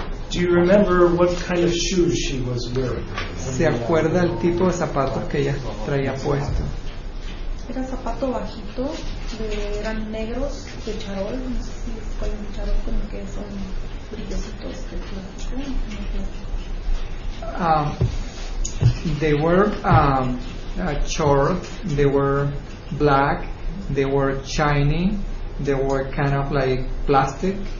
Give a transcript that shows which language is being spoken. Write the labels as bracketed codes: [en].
[en] Do you remember what kind of shoes she was wearing? [es] ¿Se acuerda el tipo de zapatos que ella traía puesto? Era zapato bajito, eran negros de charol, no sé si es cual es charol, como que son brillositos de plástico. [en] They were short, they were black, they were shiny, they were kind of like plastic.